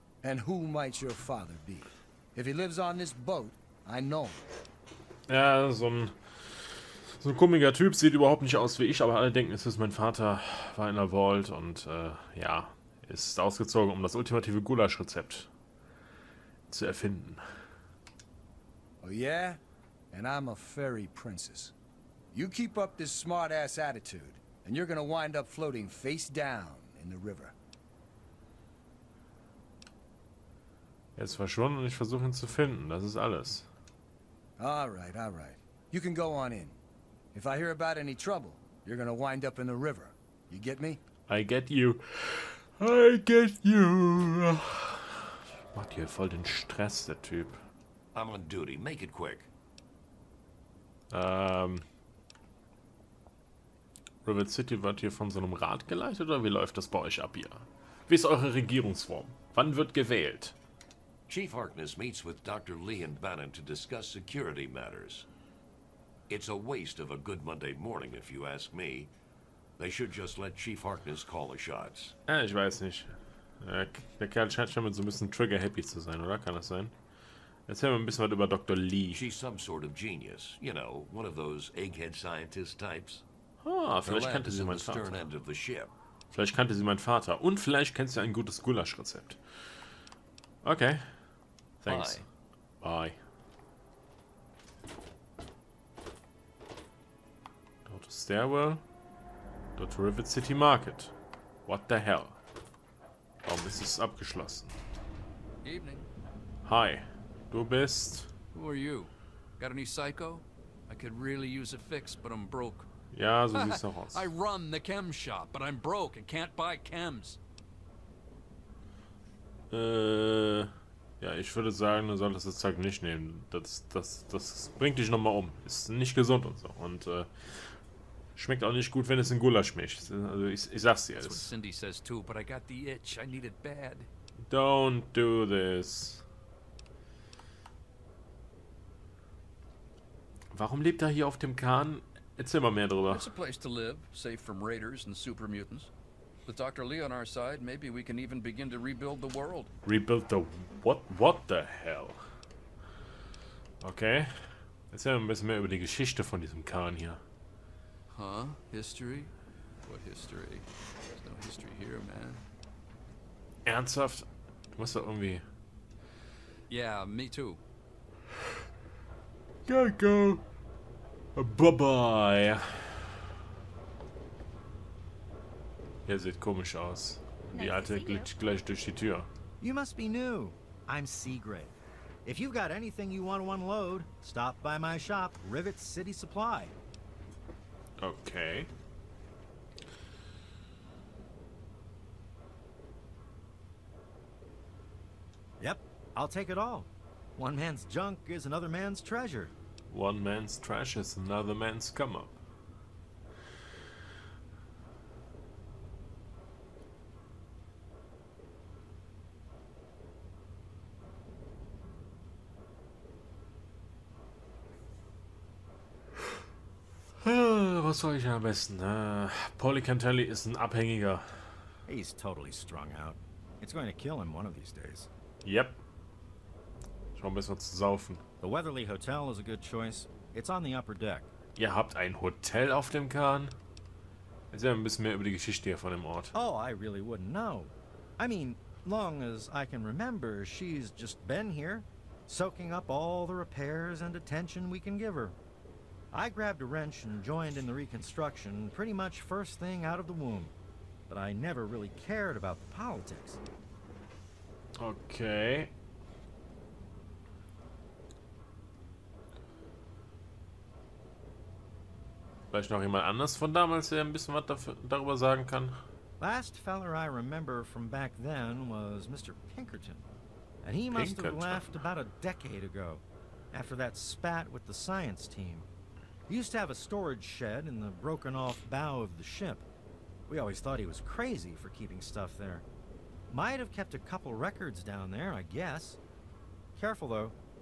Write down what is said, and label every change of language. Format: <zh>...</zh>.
<en>And who might your father be? If he lives on this boat, I know.</en> <de>Ja, so ein komischer Typ, sieht überhaupt nicht aus wie ich, aber alle denken, es ist mein Vater, war in der Vault und ja, ist ausgezogen, um das ultimative Gulasch-Rezept zu erfinden.</de> <en>Oh yeah? And I'm a fairy princess. You keep up this smart-ass attitude, and you're gonna wind up floating face down in the river.</en> <de>Er ist verschwunden und ich versuche ihn zu finden, das ist alles.</de> <en>Alright. You can go on in. If I hear about any trouble, you're gonna wind up in the river. You get me? I get you. I get you.</en> <de>Macht hier voll den Stress, der Typ.</de> <en>I'm on duty. Make it quick.</en> <de>Rivet City wird hier von so einem Rat geleitet oder wie läuft das bei euch ab hier? Wie ist eure Regierungsform? Wann wird gewählt?</de> <en>Chief Harkness meets with Dr. Lee and Bannon to discuss security matters. It's a waste of a good Monday morning, if you ask me. They should just let Chief Harkness call the shots.</en> <de>Ja, ich weiß nicht. Der Kerl scheint schon mal so ein bisschen trigger-happy zu sein, oder? Kann das sein? Erzähl mal ein bisschen was über Dr. Lee.</de> <en>She's some sort of genius. You know, one of those egghead scientist types.</en> <de>Ah, vielleicht kannte sie mein Vater. Vielleicht kannte sie mein Vater. Und vielleicht kennst du ein gutes Gulasch-Rezept.</de> <en>Okay. Thanks. Bye. Bye.</en> <de>Dort ist Stairwell. Dort Rivet City Market.</de> <en>What the hell?</en> <de>Warum ist es abgeschlossen?</de> <en>Evening.</en> <de>Hi. Du bist...</de> <en>Who are you? Got any psycho? I could really use a fix, but I'm broke.</en> <de>Ja, so sieht's doch aus.</de> <en>I run the chem shop, but I'm broke and can't buy chems.</en> <de>Ja, ich würde sagen, du solltest das Zeug nicht nehmen. Das bringt dich nochmal um. Ist nicht gesund und so. Und schmeckt auch nicht gut, wenn es in Gulasch mischt. Also ich sag's dir.</de> <en>That's what Cindy says too, but I got the itch. I need it bad. Don't do this.</en> <de>Warum lebt er hier auf dem Kahn? Erzähl mal mehr drüber.</de> <en>It's a place to live, safe from raiders and super mutants. With Dr. Lee on our side, maybe we can even begin to rebuild the world. Rebuild the what the hell? Okay.</en> <de>Erzähl mal ein bisschen mehr über die Geschichte von diesem Kahn hier.</de> <en>Huh? History? What history? There's no history here, man.</en> <de>Ernsthaft? Du musst doch irgendwie...</de> <en>Yeah, me too. Gotta go. Bye-bye.</en> <de>Er sieht komisch aus. Die Alte glitscht gleich durch die Tür.</de> <en>You must be new. I'm Seagrave. If you've got anything you want to unload, stop by my shop, Rivet City Supply. Okay. Yep, I'll take it all. One man's junk is another man's treasure. One man's trash is another man's come-up.</en> <de>Was soll ich am besten? Polly Cantelli ist ein Abhängiger.</de> <en>He's totally strung out. It's going to kill him one of these days. Yep.</en> <de>Schau ein bisschen zu saufen.</de> <en>The Weatherly Hotel is a good choice. It's on the upper deck.</en> <de>Ihr habt ein Hotel auf dem Kahn? Erzähl mir ein bisschen mehr über die Geschichte hier von dem Ort.</de> <en>Oh, I really wouldn't know. I mean, long as I can remember, she's just been here, soaking up all the repairs and attention we can give her. I grabbed a wrench and joined in the reconstruction pretty much first thing out of the womb. But I never really cared about the politics. Okay.</en> <de>Vielleicht noch jemand anders von damals, der ein bisschen was darüber sagen kann.</de> <en>Last feller I remember from back then was Mr. Pinkerton. And he must have left about a decade ago, after that spat with the science team. He used to have a storage shed in the broken off bow of the ship. We always thought he was crazy for keeping stuff there. Might have kept a couple records down there, I guess. Careful though.</en>